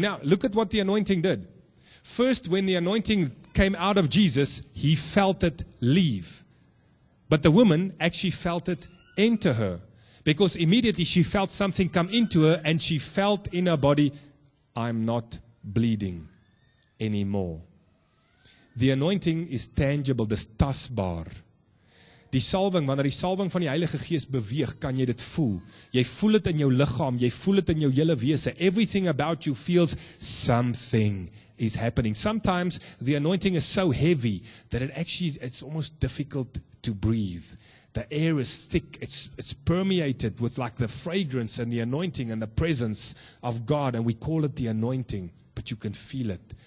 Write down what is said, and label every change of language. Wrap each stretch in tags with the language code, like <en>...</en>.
<en>Now, look at what the anointing did. First, when the anointing came out of Jesus, he felt it leave. But the woman actually felt it enter her. Because immediately she felt something come into her, and she felt in her body, "I'm not bleeding anymore." The anointing is tangible,</en> <af>dis tasbaar. Die salwing, wanneer die salwing van die Heilige Gees beweeg, kan jy dit voel. Jy voel dit in jou liggaam, jy voel dit in jou hele wese.</af> <en>Everything about you feels something is happening. Sometimes the anointing is so heavy that it's almost difficult to breathe. The air is thick, it's permeated with like the fragrance and the anointing and the presence of God, and we call it the anointing, but you can feel it.</en>